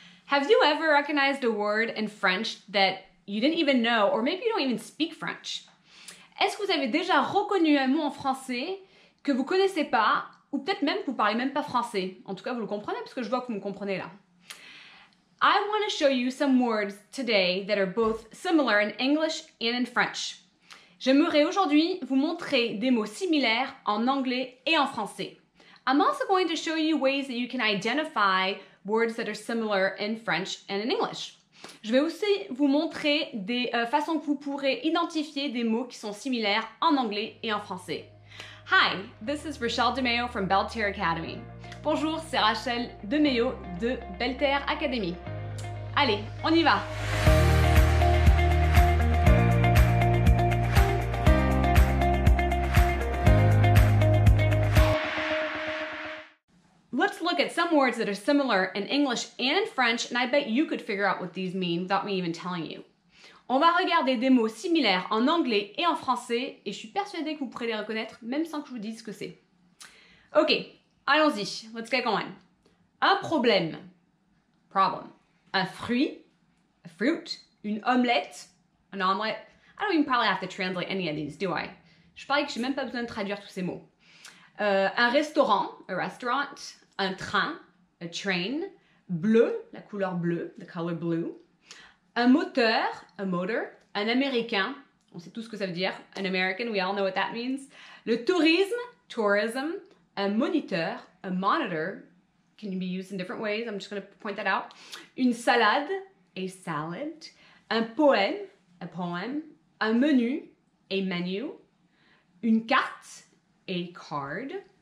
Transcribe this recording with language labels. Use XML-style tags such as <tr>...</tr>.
<en>Have you ever recognized a word in French that you didn't even know, or maybe you don't even speak French?</en> <fr>Est-ce que vous avez déjà reconnu un mot en français que vous connaissez pas, ou peut-être même que vous parlez même pas français? En tout cas, vous le comprenez, parce que je vois que vous me comprenez là.</fr> <en>I want to show you some words today that are both similar in English and in French.</en> <fr>J'aimerais aujourd'hui vous montrer des mots similaires en anglais et en français.</fr> <en>I'm also going to show you ways that you can identify words that are similar in French and in English.</en> <fr>Je vais aussi vous montrer des façons que vous pourrez identifier des mots qui sont similaires en anglais et en français.</fr> <en>Hi, this is Rachele DeMeo from Belle Terre Academy.</en> <fr>Bonjour, c'est Rachele DeMeo de Belle Terre Academy. Allez, on y va!</fr> <en>Let's look at some words that are similar in English and in French, and I bet you could figure out what these mean without me even telling you.</en> <fr>On va regarder des mots similaires en anglais et en français, et je suis persuadée que vous pourrez les reconnaître même sans que je vous dise ce que c'est.</fr> <en>Ok,</en> <fr>allons-y,</fr> <en>let's get going. Un problème, problem.</en> <fr>Un fruit, a fruit. Une omelette, an omelette.</fr> <en>I don't even probably have to translate any of these, do I?</en> <fr>Je parie que j'ai même pas besoin de traduire tous ces mots. Un restaurant, a restaurant. Un train, a train. Bleu, la couleur bleue,</fr> <en>the color blue.</en> <fr>Un moteur, a motor. Un américain, on sait tous ce que ça veut dire.</fr> <en>An American, we all know what that means. Le tourisme, tourism. Un moniteur, a monitor. Can be used in different ways, I'm just going to point that out.</en> <fr>Une salade, a salad. Un poème, a poem. Un menu, a menu. Une carte, a card.</fr>